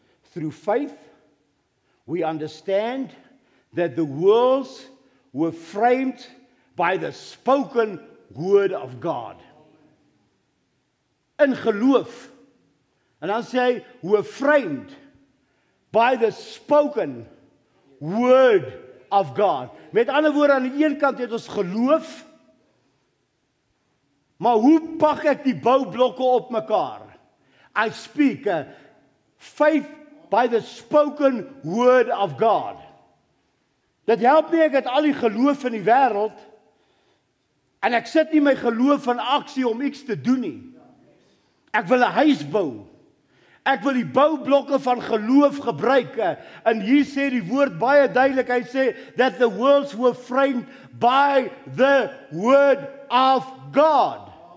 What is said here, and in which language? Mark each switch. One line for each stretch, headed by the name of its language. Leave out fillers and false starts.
English: Through faith, we understand that the worlds were framed by the spoken word of God.
Afrikaans: In geloof. En dan sê hy,
English: we're framed by the spoken word of God.
Afrikaans: Met ander woorde, aan die een kant het ons geloof, maar hoe pak ek die bouwblokke op mekaar?
English: I speak faith by the spoken word of God.
Afrikaans: Dit help nie, ek het al die geloof in die wêreld, en ek sit nie my geloof in aksie om iets te doen nie. Ek wil 'n huis bou. Ek wil die bouwblokke van geloof gebruik. En hier sê die woord baie duidelik, hy sê,
English: that the worlds were framed by the word of God.